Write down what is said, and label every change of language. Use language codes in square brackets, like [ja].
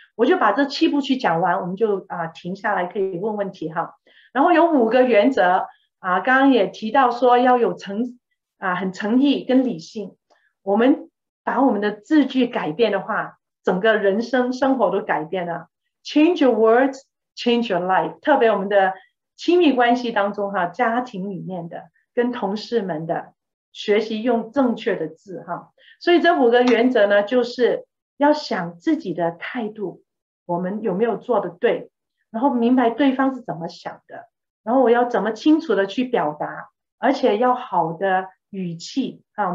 [zh] 我就把这七步去讲完，我们就停下来可以问问题哈。然后有五个原则啊，刚刚也提到说要有很诚意跟理性。我们把我们的字句改变的话，整个人生生活都改变了。 [en] Change your words, change your life. [zh] 特别我们的亲密关系当中哈，家庭里面的跟同事们的。学习用正确的字哈，所以这五个原则呢，就是要想自己的态度，我们有没有做得对，然后明白对方是怎么想的，然后我要怎么清楚的去表达，而且要好的语气啊。